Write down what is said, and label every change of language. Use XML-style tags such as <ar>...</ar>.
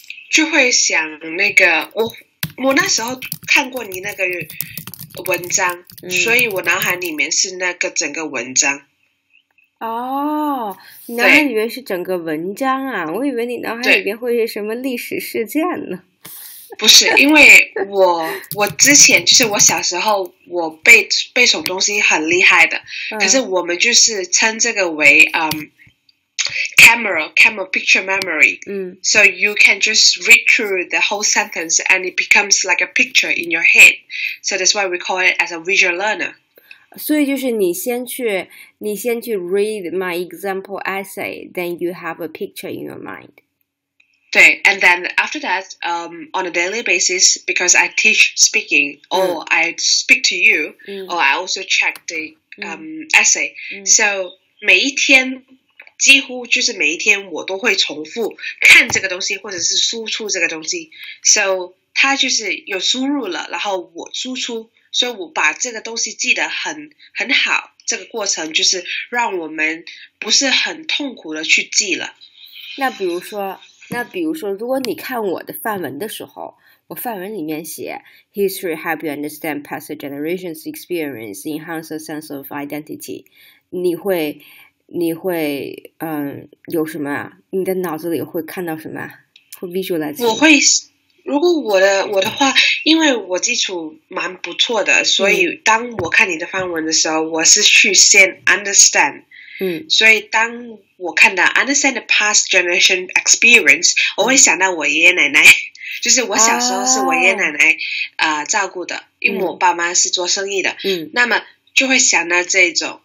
<zh>就会想那个我那时候看过你那个文章，所以我脑海里面是那个整个文章。哦，你脑海里面是整个文章啊？我以为你脑海里面会是什么历史事件呢。不是，因为我之前就是我小时候我背诵东西很厉害的，可是我们就是称这个为</zh> <en>camera picture memory， so you can just read through the whole sentence and it becomes like a picture in your head， so that's why we call it as a visual learner。</en> <zh>所以就是你先去</zh> <en>read my example essay， then you have a picture in your mind。</en> <zh>对</zh> <en>，and then after that, on a daily basis, because I teach speaking, or I speak to you, or I also check the essay. So</en> <zh>每一天几乎就是每一天我都会重复看这个东西，或者是输出这个东西。</zh> <en>So</en> <zh>它就是有输入了，然后我输出，所以我把这个东西记得很好。这个过程就是让我们不是很痛苦的去记了。那比如说，如果你看我的范文的时候，我范文里面写</zh> <en>History help you understand past generations' experience, enhance a sense of identity。</en> <zh>你会有什么啊？你的脑子里会看到什么？会 visualize？我会，如果我的话，因为我基础蛮不错的，所以当我看你的范文的时候，我是去先 understand。所以当我看到</zh> <en>understand the past generation experience，</en> <zh>我会想到我爷爷奶奶，就是我小时候是我爷爷奶奶照顾的，因为我爸妈是做生意的，那么就会想到这种。</zh>